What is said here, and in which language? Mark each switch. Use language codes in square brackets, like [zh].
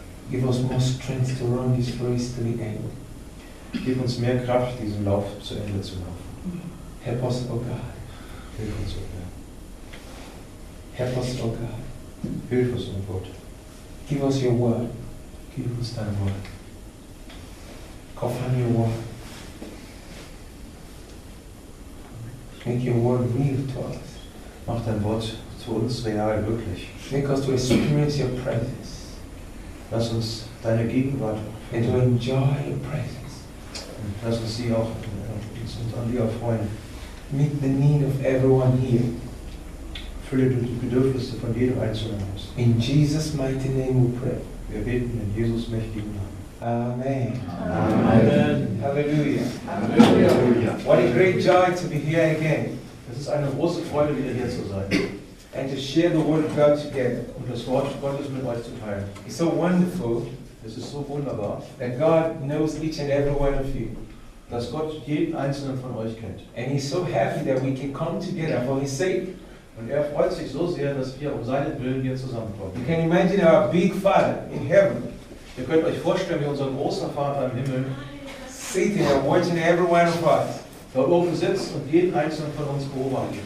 [en] Give us more strength to run this race to the end. [de] Gib uns mehr Kraft, diesen Lauf zu Ende zu laufen. [en] Help us, oh God. [de] Hilf uns, oh Herr. [en] Help us, oh God. [de] Hilf uns, oh Gott. [en] Give us your word. Give us [de] dein Wort. [en] Confirm your word. Make your word real to us. [de] Mach dein Wort zu uns real, wirklich. [en] Make us to experience your presence. [de] Lass uns deine Gegenwart [en] and to enjoy your presence. [de] Und lass uns sie auch uns an dir erfreuen. [en] Meet the need of everyone here. [de] Fülle du die Bedürfnisse von jedem Einzelnen aus. [en] In Jesus' mighty name we pray. [de] Wir beten in Jesus' mächtigen Namen. Amen. Amen. Amen. Hallelujah. Hallelujah. [en] What a great joy to be here again. [de] Es ist eine große Freude, wieder hier zu sein. [en] And to share the word of God together. [de] Und das Wort Gottes mit euch zu teilen. [en] It's so wonderful. [de] Es ist so wunderbar. [en] That God knows each and every one of you. [de] Dass Gott jeden einzelnen von euch kennt. [en] And he's so happy that we can come together for his sake. [de] Und er freut sich so sehr, dass wir um seinen Willen hier zusammenkommen. [en] You can imagine our big father in heaven. [de] Ihr könnt euch vorstellen, wie unser großer Vater im Himmel [en] sitting and watching every one of us. [de] Da oben sitzt und jeden einzelnen von uns beobachtet.